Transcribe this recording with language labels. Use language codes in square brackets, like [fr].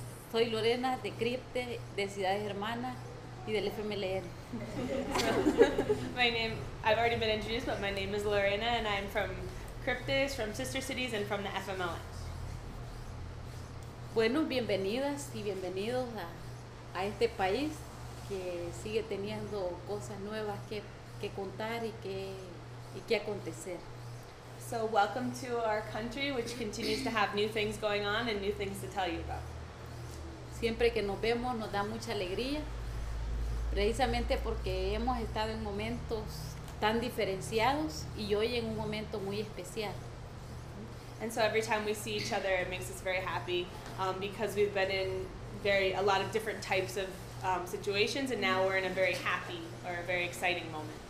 [es] Soy Lorena de CRIPDES, de Ciudades Hermanas y del FMLN. [en] I've already been introduced, but my name is Lorena and I'm from CRIPDES, from Sister Cities and from the FMLN. [es] Bueno, bienvenidas y bienvenidos a este país que sigue teniendo cosas nuevas que contar y que acontecer. [en] So welcome to our country, which continues to have new things going on and new things to tell you about. [es] Siempre que nos vemos nos da mucha alegría, precisamente porque hemos estado en momentos tan diferenciados y hoy en un momento muy especial. [en] And so every time we see each other, it makes us very happy because we've been in a lot of different types of situations, and now we're in a very happy or a very exciting moment.